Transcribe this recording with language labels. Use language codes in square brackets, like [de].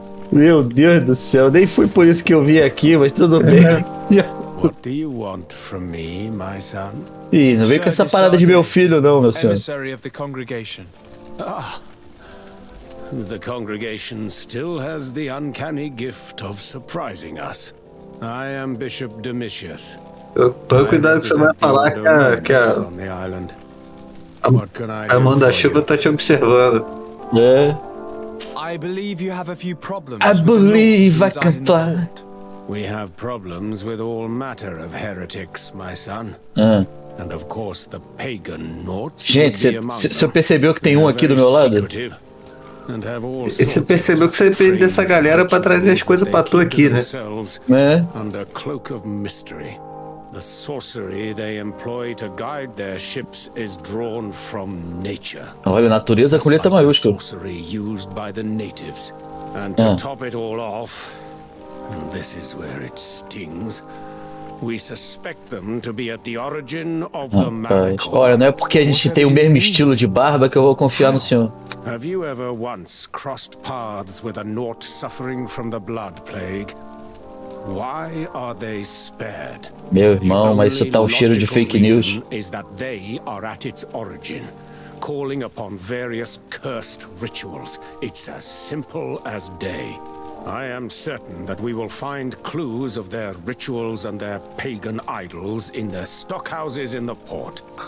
[pt] Meu Deus do céu, nem foi por isso que eu vim aqui, mas tudo bem. [en] What do you want from me, my son? [pt] Ih, não vem com essa parada de meu filho não, meu senhor. [en] Emissary of the congregation. Ah. The congregation still has the uncanny gift of surprising us. I am Bishop Domitius. [pt] Tô cuidado que você vai falar que a Amanda Chuva tá te observando. É. [en] I believe you have a few problems. I believe I can fly. We have problems with all matter of heretics, my son. And of course the pagan Nauts. [pt] Gente, você percebeu que tem um aqui do meu lado? Você percebeu que você depende dessa galera pra trazer as coisas pra tu aqui, né? Né? [en] Under cloak of mystery. The sorcery they employ to guide their ships is drawn from nature. [pt] Olha, a natureza com letra maiúscula. [en] The sorcery used by the natives. And to top it all off, and this is where it stings, we suspect them to be at the origin of the manacle. [pt] Olha, não é porque a gente tem o mesmo estilo de barba que eu vou confiar no senhor. [en] Have you ever once crossed paths with a Nort suffering from the blood plague? Why are they spared? [pt] Meu irmão, mas isso tá um cheiro de fake news. [en] Is that they are at its origin, calling upon various cursed rituals. It's as simple as day. I am certain that we will find clues of their rituals and their pagan idols in their stockhouses in the port.